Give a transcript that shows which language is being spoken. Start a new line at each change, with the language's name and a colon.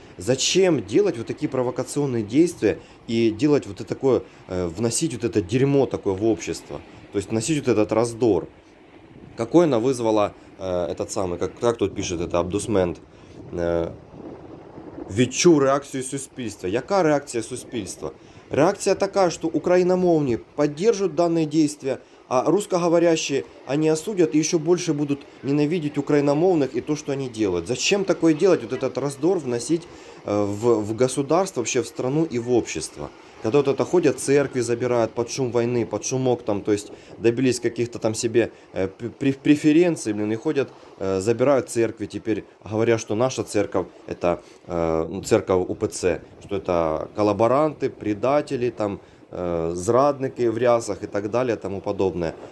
Russian: Зачем делать вот такие провокационные действия и делать вот это такое, вносить вот это дерьмо такое в общество, то есть вносить вот этот раздор? Какой она вызвала этот самый, как тут пишет это абдусмент,
Ukrainian: відчу реакцію суспільства. Яка реакція суспільства? Реакція така, що україномовні підтримують дані дії, а русскоговорящі вони осудять і ще більше будуть ненавидіти україномовних і те, що вони роблять. Зачем таке робити? Ось цей роздор вносити в государство, взагалі в страну і в общество.
Russian: Когда вот это ходят, церкви забирают под шум войны, под шумок там, то есть добились каких-то там себе преференций, блин, и ходят, забирают церкви теперь, говоря, что наша церковь, это церковь УПЦ, что это коллаборанты, предатели, там,
Ukrainian: зрадники в рясах
Russian: и так далее, тому подобное.